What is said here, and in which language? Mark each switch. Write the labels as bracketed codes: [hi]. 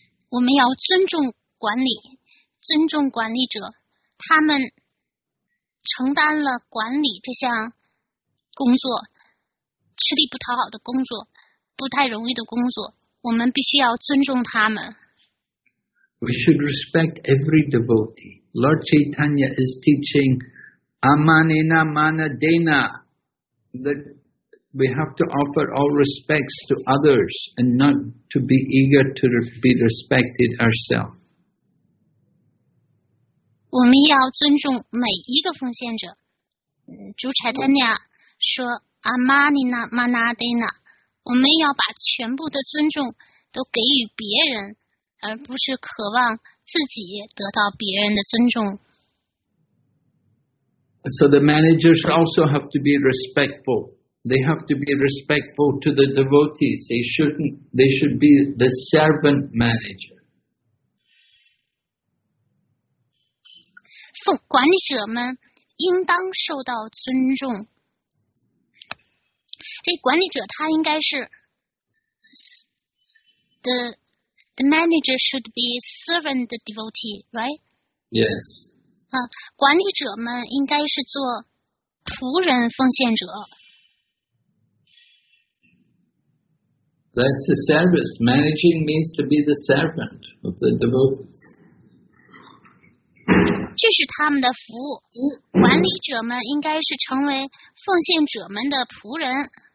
[zh] 我们要尊重管理，尊重管理者，他们承担了管理这项工作，吃力不讨好的工作，不太容易的工作，我们必须要尊重他们。 [en] We should respect every devotee. Lord Chaitanya is teaching Amanena Manadena that we have to offer all respects to others and not to be eager to be respected ourselves. [zh] 我们要尊重每一个奉献者。主 Chaitanya 说 Amanena Manadena， 我们要把全部的尊重都给予别人。而不是渴望自己得到别人的尊重。 [en] So the managers also have to be respectful. They have to be respectful to the devotees. They should be the servant manager. [zh] 管理者们应当受到尊重。这管理者他应该是 [en] The manager should be servant the devotee, right? Yes. [zh] 管理者们应该是做仆人奉献者。 [en] That's the service. Managing means to be the servant of the devotees. [zh] 这是他们的服务。管理者们应该是成为奉献者们的仆人。